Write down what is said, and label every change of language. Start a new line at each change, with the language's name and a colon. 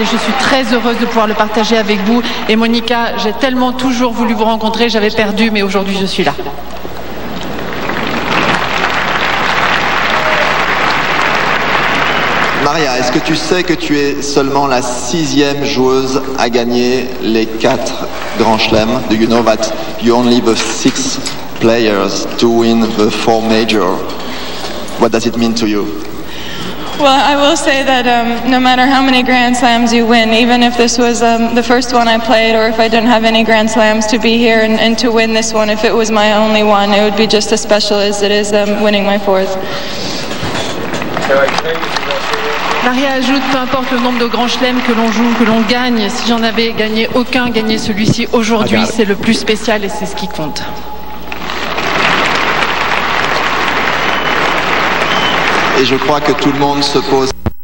French: Et je suis très heureuse de pouvoir le partager avec vous. Et Monica, j'ai tellement toujours voulu vous rencontrer. J'avais perdu, mais aujourd'hui je suis là. Maria, est-ce que tu sais que tu es seulement la sixième joueuse à gagner les quatre Grand Chelem?
English: Do you know that you're only the sixth players to win the four major? What does it mean to you? Well, I will say that no matter how many Grand Slams you win, even if this was the first one I played, or if I didn't have any Grand Slams, to be here and to win this one, if it was my only one, it would be just as special as it is winning my fourth.
French: Maria ajoute, peu importe le nombre de grands chelems que l'on joue, que l'on gagne, si j'en avais gagné aucun, gagné celui-ci aujourd'hui, c'est le plus spécial et c'est ce qui compte. Et je crois que tout le monde se pose...